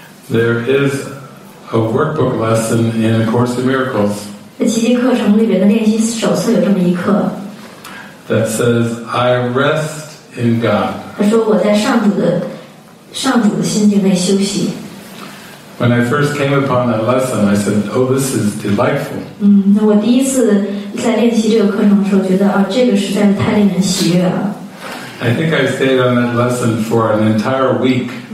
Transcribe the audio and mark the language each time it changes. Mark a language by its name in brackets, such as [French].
[English] There is a workbook lesson in A Course in Miracles. [Chinese] 在奇迹课程里边的练习手册有这么一课。 [English] That says, I rest in God. [Chinese] 他说我在上主的心境内休息。 [English] When I first came upon that lesson, I said, oh, this is delightful. [Chinese] 我第一次在练习这个课程的时候觉得这个实在是太令人喜悦了。 [English] I think I stayed on that lesson for an entire week.